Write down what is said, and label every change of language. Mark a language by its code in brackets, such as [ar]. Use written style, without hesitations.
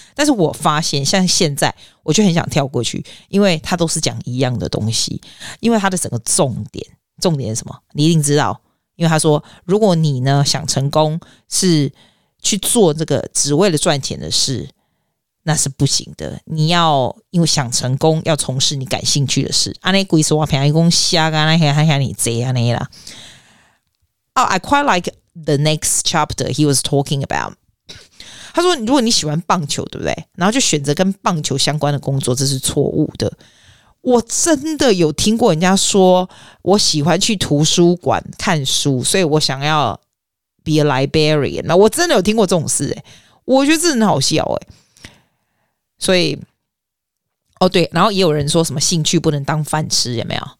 [zh] 但是我发现像现在我就很想跳过去，因为他都是讲一样的东西，因为他的整个重点是什么你一定知道。因为他说如果你呢想成功是去做这个只为了赚钱的事，那是不行的。你要因为想成功要从事你感兴趣的事，这样整个我平常说瞎这样还像你这样啦。 [en] Oh, I quite like the next chapter he was talking about。 [zh] 他说如果你喜欢棒球对不对，然后就选择跟棒球相关的工作，这是错误的。我真的有听过人家说我喜欢去图书馆看书，所以我想要 [en] be a librarian。 [zh] 那我真的有听过这种事、欸、我觉得这很好笑、欸、所以哦对，然后也有人说什么兴趣不能当饭吃，有没有？